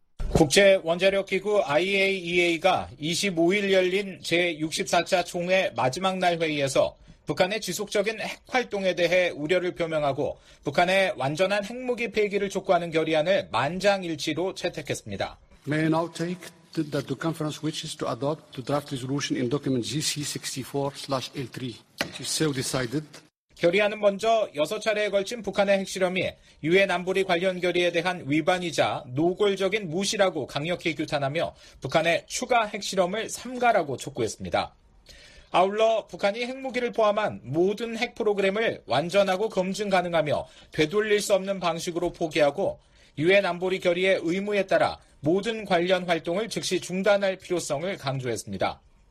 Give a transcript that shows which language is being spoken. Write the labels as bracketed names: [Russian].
[Korean] 국제원자력기구 IAEA가 25일 열린 제64차 총회 마지막 날 회의에서 북한의 지속적인 핵활동에 대해 우려를 표명하고 북한의 완전한 핵무기 폐기를 촉구하는 결의안을 만장일치로 채택했습니다. [English] May I now take that the conference wishes to adopt the draft resolution in document GC64/L3, which is so decided. [Korean] 결의안은 먼저 6차례에 걸친 북한의 핵실험이 유엔 안보리 관련 결의에 대한 위반이자 노골적인 무시라고 강력히 규탄하며 북한의 추가 핵실험을 삼가라고 촉구했습니다. 아울러 북한이 핵무기를 포함한 모든 핵 프로그램을 완전하고 검증 가능하며 되돌릴 수 없는 방식으로 포기하고 유엔 안보리 결의의 의무에 따라 모든 관련 활동을 즉시 중단할 필요성을 강조했습니다.